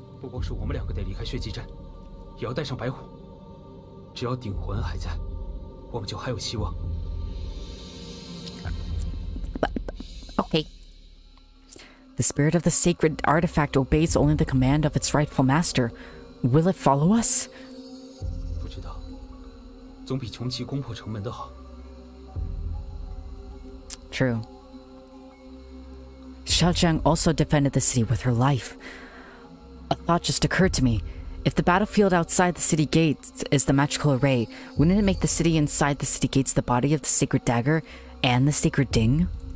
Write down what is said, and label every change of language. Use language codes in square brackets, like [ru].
[zh] 不光是我们两个得离开血迹站，也要带上白虎。只要顶魂还在，我们就还有希望。 [en] Okay. The spirit of the sacred artifact obeys only the command of its rightful master. Will it follow us? [zh] 不知道，总比穷奇攻破城门的好。 [en] True. Xiaojiang also defended the city with her life. A thought just occurred to me. If the battlefield outside the city gates is the magical array, wouldn't it make the city inside the city gates the body of the sacred dagger and the sacred ding?